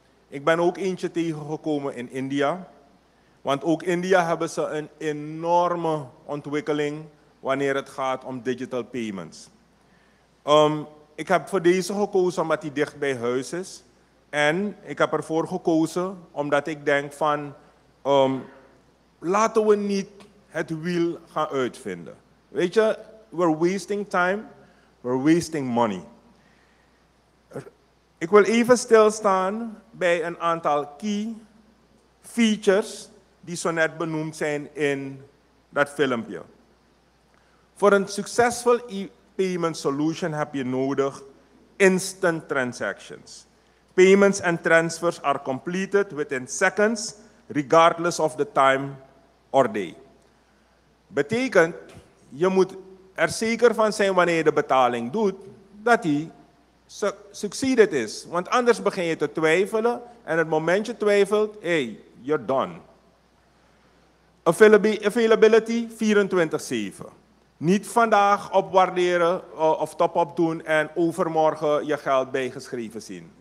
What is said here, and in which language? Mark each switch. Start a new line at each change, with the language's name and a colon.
Dutch: Ik ben ook eentje tegengekomen in India. Want ook India hebben ze een enorme ontwikkeling wanneer het gaat om digital payments. Ik heb voor deze gekozen omdat die dicht bij huis is. En ik heb ervoor gekozen omdat ik denk van, laten we niet het wiel gaan uitvinden. Weet je,
English: we're wasting time, we're wasting money.
Dutch: Ik wil even stilstaan bij een aantal key features die zo net benoemd zijn in dat filmpje. Voor een succesvol e-payment solution heb je nodig
English: instant transactions. Payments and transfers are completed within seconds, regardless of the time or day.
Dutch: Betekent, je moet er zeker van zijn wanneer je de betaling doet, dat die succeed is, want anders begin je te twijfelen en het moment je twijfelt,
English: hey, you're done. Availability 24/7.
Dutch: Niet vandaag opwaarderen of top-up doen en overmorgen je geld bijgeschreven zien.